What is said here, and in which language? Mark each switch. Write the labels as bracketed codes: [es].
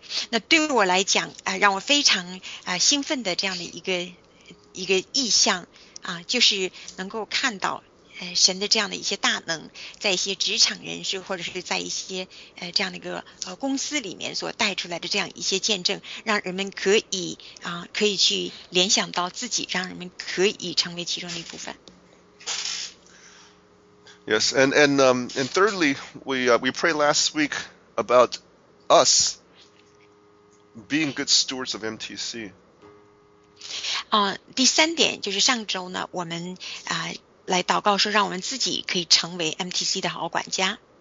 [zh] 那对我来讲让我非常兴奋的这样的一个意象就是能够看到神的这样的一些大能在一些职场人士或者是在一些这样的一个公司里面所带出来的这样一些见证让人们可以可以去联想到自己让人们可以成为其中的一部分。 [en] Yes, and thirdly, we prayed last week about us being good stewards of MTC. [zh] 第三点就是上周呢我们来祷告说让我们自己可以成为 MTC 的好管家。